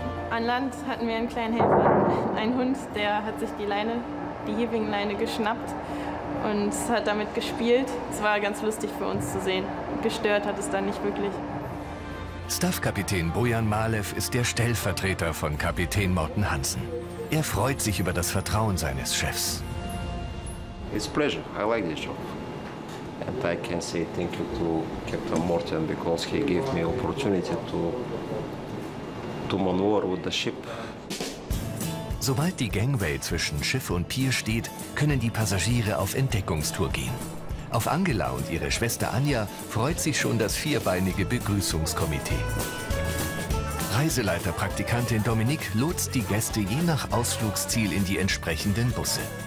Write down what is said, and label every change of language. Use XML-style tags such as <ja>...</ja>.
<de>An Land hatten wir einen kleinen Helfer, einen Hund, der hat sich die Heving-Leine geschnappt und hat damit gespielt. Es war ganz lustig für uns zu sehen. Gestört hat es dann nicht wirklich. Staffkapitän Bojan Malev ist der Stellvertreter von Kapitän Morten Hansen. Er freut sich über das Vertrauen seines Chefs.</de> <en>It's a pleasure. I like this job. And I can say thank you to Captain Morten because he gave me opportunity to maneuver with the ship.</en> <de>Sobald die Gangway zwischen Schiff und Pier steht, können die Passagiere auf Entdeckungstour gehen. Auf Angela und ihre Schwester Anja freut sich schon das vierbeinige Begrüßungskomitee. Reiseleiterpraktikantin Dominique lotst die Gäste je nach Ausflugsziel in die entsprechenden Busse.</de>